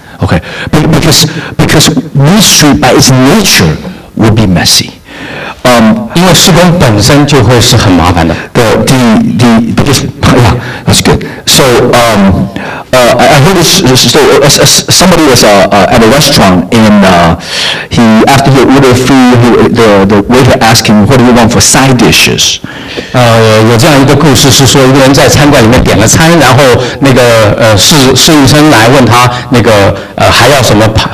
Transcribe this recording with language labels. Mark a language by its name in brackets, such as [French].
[English] Okay, because ministry by its nature will be messy. [Chinese] 因为事工本身就会是很麻烦的。 [English] The because yeah, that's good. So I heard this story. Somebody was at a restaurant and he after he ordered food, the waiter asked him, "What do you want for side dishes?" [Chinese] 有这样一个故事是说，一个人在餐馆里面点了餐，然后那个侍应生来问他那个还要什么